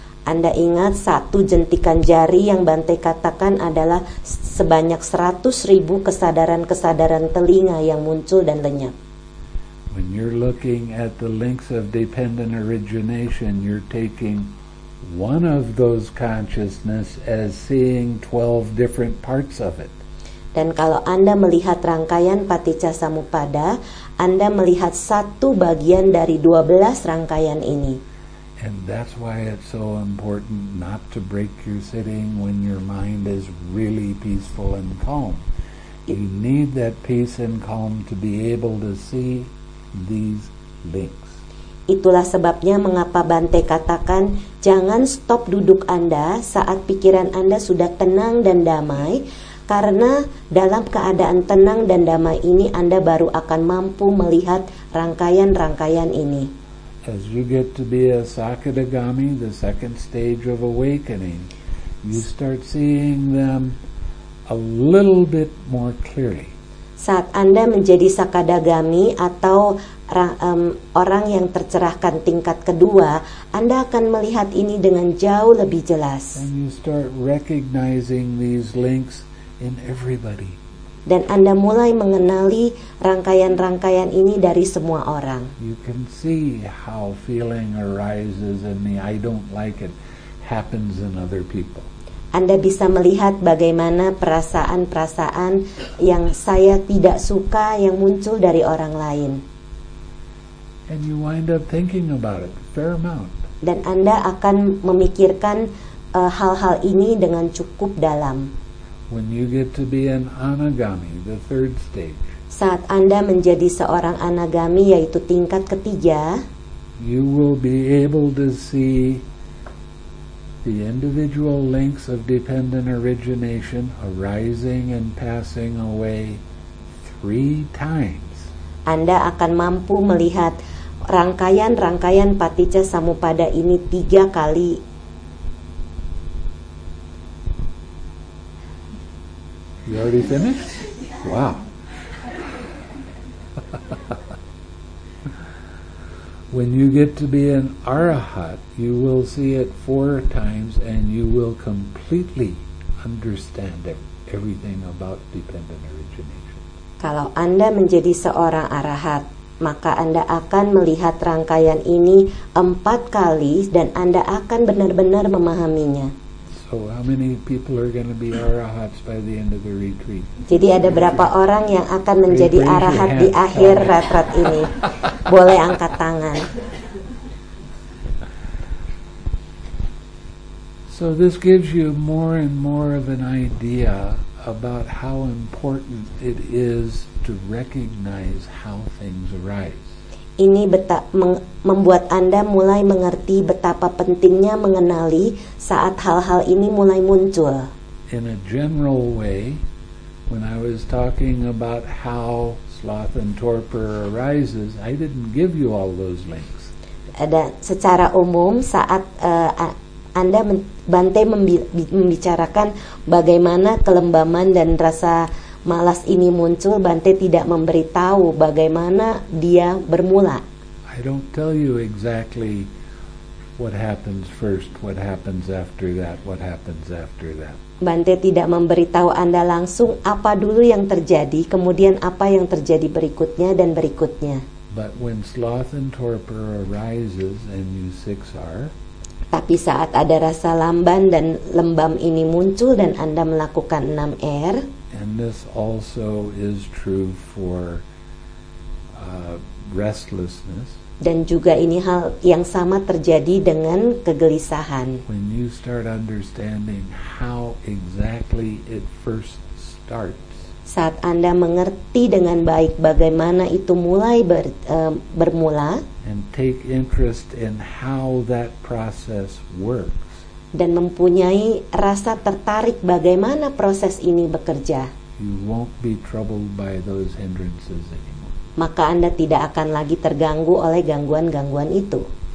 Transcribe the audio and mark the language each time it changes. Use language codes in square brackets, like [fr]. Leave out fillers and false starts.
[id] Anda ingat satu jentikan jari yang Bante katakan adalah sebanyak 100,000 kesadaran-kesadaran telinga yang muncul dan lenyap. [en] When you're looking at the links of dependent origination, you're taking one of those consciousness as seeing 12 different parts of it. [id] Dan kalau Anda melihat rangkaian paticca samuppada, Anda melihat satu bagian dari 12 rangkaian ini. [en] And that's why it's so important not to break your sitting when your mind is really peaceful and calm. You need that peace and calm to be able to see these links. [id] Itulah sebabnya mengapa Bante katakan jangan stop duduk Anda saat pikiran Anda sudah tenang dan damai. Karena dalam keadaan tenang dan damai ini Anda baru akan mampu melihat rangkaian-rangkaian ini. [en] As you get to be a Sakadagami, the second stage of awakening, you start seeing them a little bit more clearly. [id] Saat Anda menjadi Sakadagami atau orang yang tercerahkan tingkat kedua, Anda akan melihat ini dengan jauh lebih jelas. [en] And you start recognizing these links in everybody. [id] Dan Anda mulai mengenali rangkaian-rangkaian ini dari semua orang. [en] You can see how feeling arises in me, I don't like it, happens in other people. [id] Anda bisa melihat bagaimana perasaan-perasaan yang saya tidak suka yang muncul dari orang lain. [en] And you wind up thinking about it fair amount. [id] Dan Anda akan memikirkan hal-hal ini dengan cukup dalam. [en] When you get to be an anagami, the third stage. [id] Saat Anda menjadi seorang anagami, yaitu tingkat ketiga. [en] You will be able to see the individual links of dependent origination arising and passing away three times. [id] Anda akan mampu melihat rangkaian-rangkaian paticca samuppada ini tiga kali. [en] You already finished? Wow. When you get to be an arahat, you will see it four times and you will completely understand everything about dependent origination. [id] Kalau Anda menjadi seorang arahat, maka Anda akan melihat rangkaian ini empat kali dan Anda akan benar-benar memahaminya. [en] So how many people are going to be arahats by the end of the retreat? [id] Jadi ada berapa orang yang akan menjadi arahat di akhir retreat ini? Boleh angkat tangan. [en] So this gives you more and more of an idea about how important it is to recognize how things arise. [id] Ini membuat Anda mulai mengerti betapa pentingnya mengenali saat hal-hal ini mulai muncul. [en] In a general way, when I was talking about how sloth and torpor arises, I didn't give you all those links. [id] Dan secara umum, saat Anda Bante membicarakan bagaimana kelembaman dan rasa malas ini muncul, Bante tidak memberitahu bagaimana dia bermula. [en] I don't tell you exactly what happens first, what happens after that, what happens after that. [id] Bante tidak memberitahu Anda langsung apa dulu yang terjadi, kemudian apa yang terjadi berikutnya dan berikutnya. [en] But when sloth and torpor arises and you six are, [id] tapi saat ada rasa lamban dan lembam ini muncul dan Anda melakukan 6R, [en] and this also is true for restlessness. [id] Dan juga ini hal yang sama terjadi dengan kegelisahan. [en] When you start understanding how exactly it first starts. [id] Saat Anda mengerti dengan baik bagaimana itu mulai bermula. [en] And take interest in how that process works. [id] Dan mempunyai rasa tertarik bagaimana proses ini bekerja. [en] You won't be troubled by those hindrances anymore. [id] Maka Anda tidak akan lagi terganggu oleh gangguan-gangguan itu.